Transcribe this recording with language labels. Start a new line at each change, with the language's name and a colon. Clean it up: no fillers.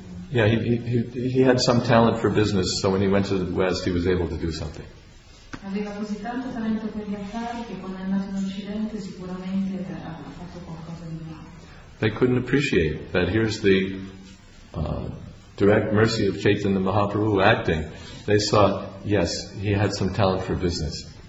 English: Yeah, he had some talent for business, so when he went to the West he was able to do something.
Italian: Aveva così tanto talento per gli affari che quando è andato in Occidente sicuramente ha fatto qualcosa di male.
English: They couldn't appreciate that here's the direct mercy of Chaitanya Mahaprabhu acting. They saw, yes, he had some talent for business.